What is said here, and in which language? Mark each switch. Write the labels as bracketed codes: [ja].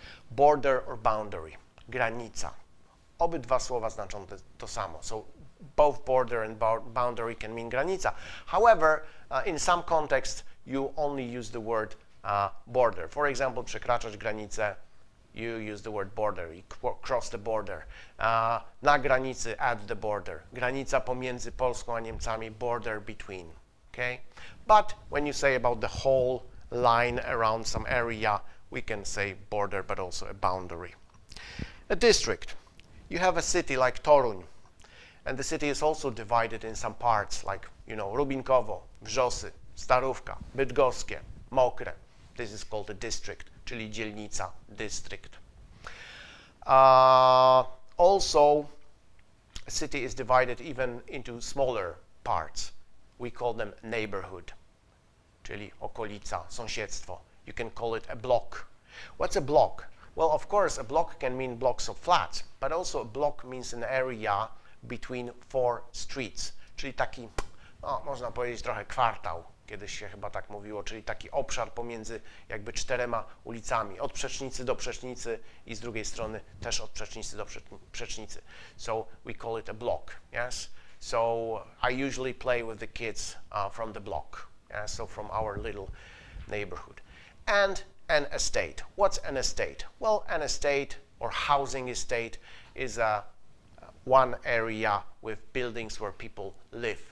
[pl] Border or boundary, granica. Obydwa słowa znaczą to samo. [en] So both border and boundary can mean granica. However, in some context, you only use the word border. For example, [pl] przekraczać granicę, [en] you use the word border, you cross the border. [pl] Na granicy, [en] at the border. [pl] Granica pomiędzy Polską a Niemcami, [en] border between. Okay? But when you say about the whole line around some area, we can say border, but also a boundary. A district. You have a city like Toruń, and the city is also divided in some parts, like, you know, Rubinkowo, Wrzosy, Starówka, Bydgoskie, Mokre. This is called a district, [pl] czyli dzielnica, [en] district. Also, a city is divided even into smaller parts. We call them neighborhood, [pl] czyli okolica, sąsiedztwo. [en] You can call it a block. What's a block? Well, of course, a block can mean blocks of flats, but also a block means an area between four streets, [pl] czyli taki, no, można powiedzieć trochę kwartał. Kiedyś się chyba tak mówiło, czyli taki obszar pomiędzy jakby czterema ulicami, od przecznicy do przecznicy i z drugiej strony też od przecznicy do przecznicy. [en] So we call it a block, yes? So I usually play with the kids from the block, yeah? So from our little neighborhood. And an estate. What's an estate? Well, an estate or housing estate is a one area with buildings where people live.